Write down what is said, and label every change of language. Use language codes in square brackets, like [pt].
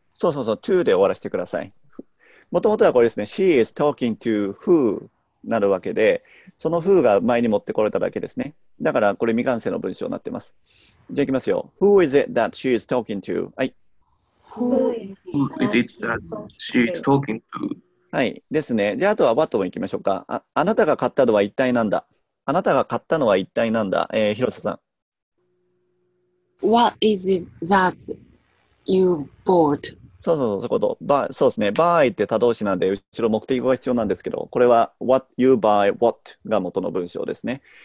[ja] そうそうそう、to で終わらせてください。もともとはこれですね。 [en] She is talking to who [ja] なるわけで、その who が前に持ってこれただけですね。だからこれ未完成の文章になってます。じゃあいきますよ。 [en] Who is it that she is talking to? [ja] はい。 [en] Who is it that she is talking to? [ja] はい、ですね。じゃあ、あとは What も行きましょうか。あなたが買ったのは一体なんだ？あなたが買ったのは一体なんだ？広瀬さん。 [en] What is it that you bought? [ja] そうそうそう、そういうこと。そうですね。buy って多動詞なんで、後ろ目的語が必要なんですけど、これは [en] What you buy what [ja] が元の文章ですね。